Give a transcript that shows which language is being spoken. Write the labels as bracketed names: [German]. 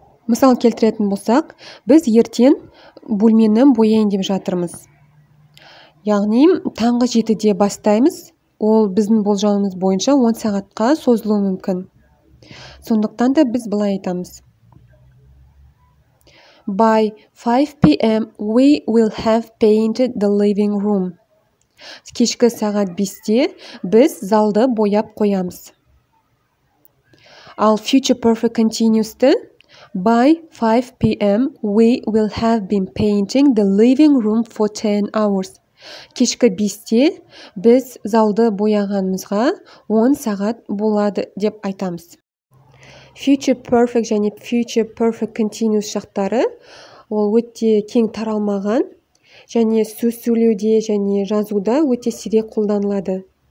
[Kazakh] Мысал келтіретін болсақ, біз ертең бөлмені бояйын деп жатырмыз. Яғни, таңғы 7-де бастаймыз. Ол біздің болжауымыз бойынша 10 сағатқа созылуы мүмкін. Сондықтан да біз былай айтамыз. [English] By 5 p.m. we will have painted the living room. [Kazakh] Кешкі сағат 5-те біз залды бояп қоямыз. Ал [English] future perfect continuous-ті by 5 p.m. we will have been painting the living room for 10 hours. [Kazakh] Кешкі 5-те біз залды бояғанымызға 10 сағат болады деп айтамыз. Future perfect және future perfect continuous шақтары ол өте кең таралмаған және сөз сөйлеуде және жазуда өте сирек қолданылады.